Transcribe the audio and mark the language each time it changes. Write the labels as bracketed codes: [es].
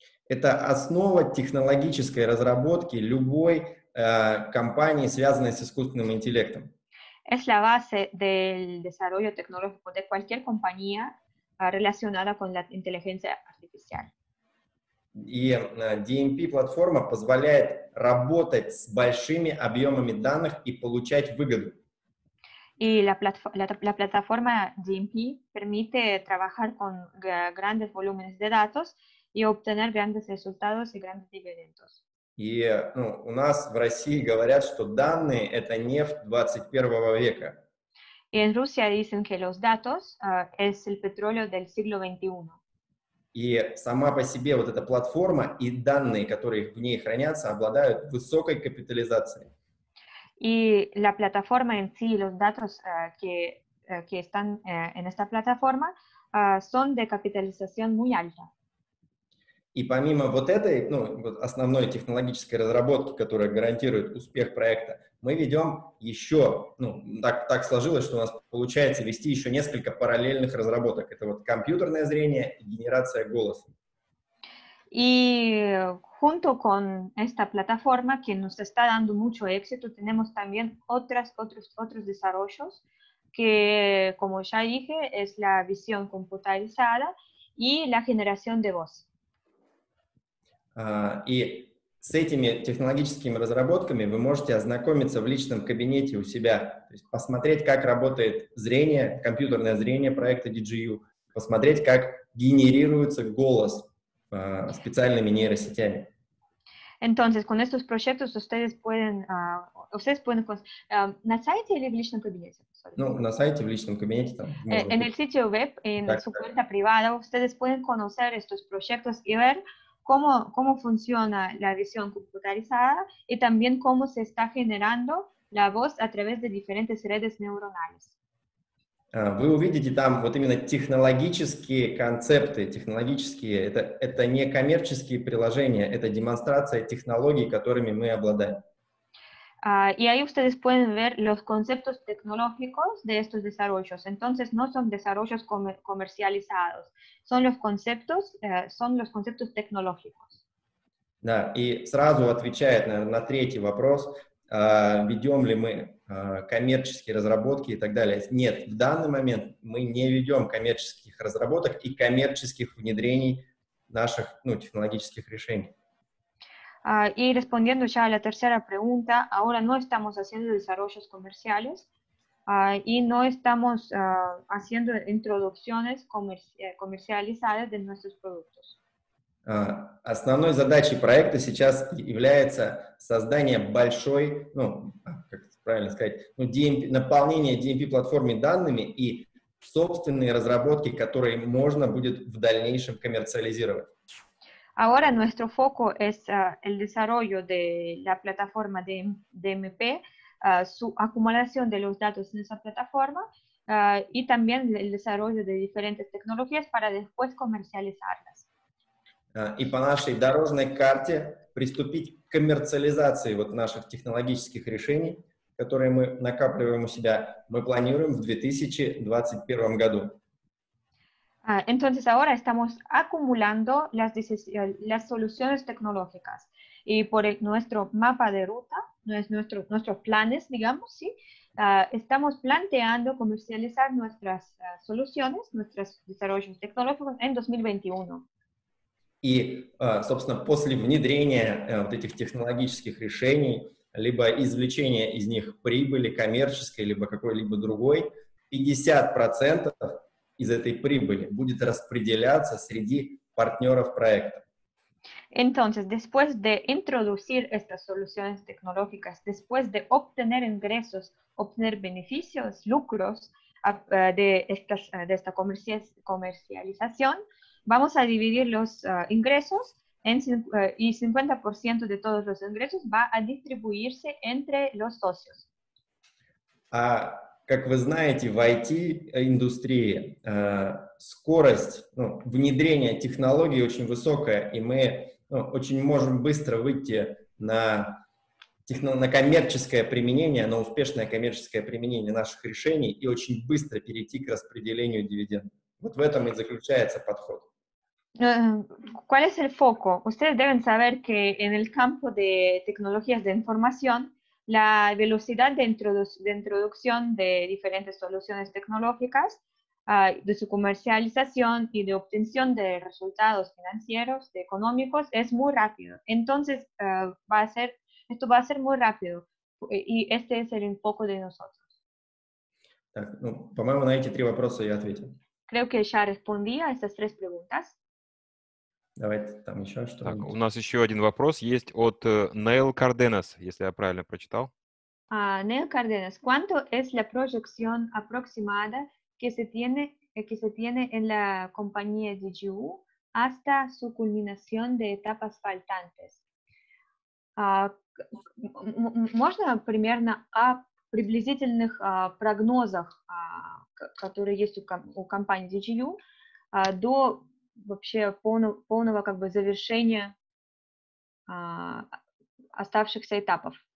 [ru] Это основа технологической разработки любой компании, связанной с искусственным интеллектом. [es] Es la base del desarrollo tecnológico de cualquier compañía relacionada con la inteligencia artificial. [ru] И DMP-платформа позволяет работать с большими объемами данных и получать выгоду. И [es] la plataforma DMP permite trabajar con grandes volúmenes de datos y obtener grandes resultados y grandes dividendos. [ru] И у нас в России говорят, что данные — это нефть 21 века. [es] Y en Rusia dicen que los datos es el petróleo del siglo XXI. Y [ru] сама по себе вот эта платформа и данные, которые в ней хранятся, обладают высокой капитализацией. [es] Y la plataforma en sí, los datos que están en esta plataforma son de capitalización muy alta. [ru] И помимо вот этой, ну, вот основной технологической разработки, которая гарантирует успех проекта, мы ведем еще, ну, так сложилось, что у нас получается вести еще несколько параллельных разработок. Это вот компьютерное зрение и генерация голоса. И [es] junto con esta plataforma, que nos está dando mucho éxito, tenemos también otros desarrollos, que, como ya dije, es la visión computarizada y la generación de voz. [ru] И с этими технологическими разработками вы можете ознакомиться в личном кабинете у себя, то есть посмотреть, как работает зрение, компьютерное зрение проекта DGU, посмотреть, как генерируется голос специальными нейросетями. [es] Entonces, con estos proyectos ustedes pueden [ru] на сайте или в личном кабинете? Ну, на сайте, в личном кабинете. Там, [es] en el sitio web, en [ru] так, [es] su cuenta privada, ustedes pueden conocer estos proyectos y ver cómo funciona la visión computarizada y también cómo se está generando la voz a través de diferentes redes neuronales. [ru] Вы увидите там вот именно технологические концепты, технологические, это не коммерческие приложения, это демонстрация технологий, которыми мы обладаем. [es] Y ahí ustedes pueden ver los conceptos tecnológicos de estos desarrollos. Entonces, no son desarrollos comercializados. Son los conceptos tecnológicos. [ru] Да, и сразу отвечает, наверное, на третий вопрос, ведем ли мы коммерческие разработки и так далее. Нет, в данный момент мы не ведем коммерческих разработок и коммерческих внедрений наших, ну, технологических решений. [es] Y respondiendo ya a la tercera pregunta, ahora no estamos haciendo desarrollos comerciales y no estamos haciendo introducciones comercializadas de nuestros productos. [ru] Основной задачей проекта сейчас является создание большой, ну, как правильно сказать, ну, DMP, наполнение DMP-платформе данными и собственные разработки, которые можно будет в дальнейшем коммерциализировать. [es] Ahora nuestro foco es el desarrollo de la plataforma de DMP, su acumulación de los datos en esa plataforma y también el desarrollo de diferentes tecnologías para después comercializarlas. Y [ru] по нашей дорожной карте приступить к коммерциализации вот наших технологических решений, которые мы накапливаем у себя, мы планируем в 2021 году. [es] Entonces ahora estamos acumulando las soluciones tecnológicas y por nuestro mapa de ruta, nuestros planes, digamos, ¿sí? Estamos planteando comercializar nuestras soluciones, nuestros desarrollos tecnológicos en 2021. Y, [ru] собственно, после внедрения вот этих технологических решений, либо извлечения из них прибыли коммерческой, либо какой-либо другой, 50% из этой прибыли будет распределяться среди партнеров проекта. [es] Entonces, después de introducir estas soluciones tecnológicas, después de obtener ingresos, obtener beneficios, lucros de esta comercialización, vamos a dividir los ingresos y 50% de todos los ingresos va a distribuirse entre los socios. [ru] Как вы знаете, в IT-индустрии скорость, ну, внедрения технологий очень высокая, и мы, ну, очень можем быстро выйти на коммерческое применение, на успешное коммерческое применение наших решений и очень быстро перейти к распределению дивидендов. Вот в этом и заключается подход. [es] ¿Cuál es el foco? Ustedes deben saber que en el campo de tecnologías de información la velocidad de introducción de diferentes soluciones tecnológicas, de su comercialización y de obtención de resultados financieros, de económicos, es muy rápido. Entonces, esto va a ser muy rápido y este es el enfoque de nosotros. [ru] Так, ну, по-моему, на эти три вопроса я ответил. [es] Creo que ya respondí a estas tres preguntas. [ru] Давайте там еще что-нибудь. Так, у нас еще один вопрос есть от Нейл Карденас, если я правильно прочитал. [es] Нейл Карденас, ¿cuánto es la proyección aproximada que se tiene en la compañía DGU hasta su culminación de etapas faltantes? [ru] Можно примерно о приблизительных прогнозах, которые есть у компании DGU, до вообще полного как бы завершения оставшихся этапов.